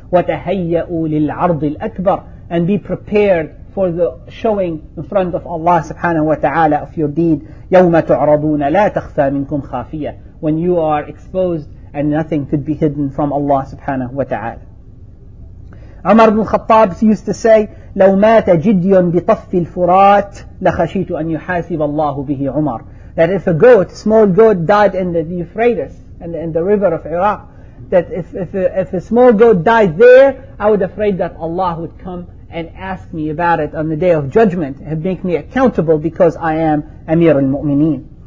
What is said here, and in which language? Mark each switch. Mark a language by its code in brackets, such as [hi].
[ar] وَتَهَيَّأُوا لِلْعَرْضِ الْأَكْبَرِ. [en] And be prepared for the showing in front of Allah subhanahu wa ta'ala of your deed. [ar] يَوْمَ تُعْرَضُونَ لَا تَخْفَى مِنْكُمْ خَافِيَةً. [en] When you are exposed and nothing could be hidden from Allah subhanahu wa ta'ala. Umar ibn al-Khattab used to say, [ar] لو مات جدي بطف الفرات لخشيت أن يحاسب الله به عمر. [en] That if a goat, small goat died in the Euphrates and in the river of Iraq, that if a small goat died there, I would afraid that Allah would come and ask me about it on the day of judgment and make me accountable because I am Amir al-Mu'mineen.